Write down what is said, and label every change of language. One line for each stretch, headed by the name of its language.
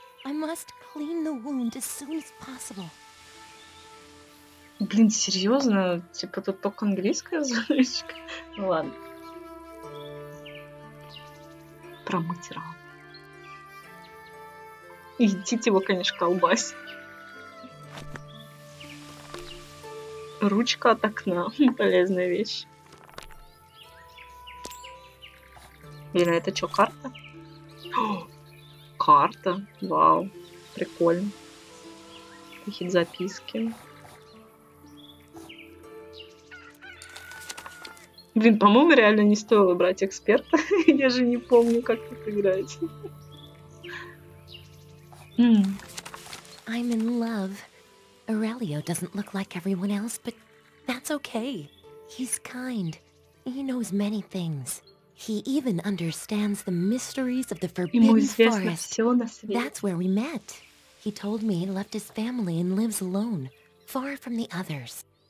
English: I must clean the wound as soon as possible.
Russian: Блин, серьезно? Типа тут только английская звучка? Ну ладно. Промыть рану. Едите его, конечно, колбасить. Ручка от окна. Полезная вещь. Или это что, карта? Карта. Вау. Прикольно. Какие-то записки. Блин, по-моему, реально не стоило брать эксперта. Я же не помню, как тут играть.
English: I'm in love. Aurelio doesn't look like everyone else, but that's okay. He's kind. He knows many things. He even understands the mysteries of the Forbidden Forest. That's where we met. He told me he left his family and lives alone, far from the others.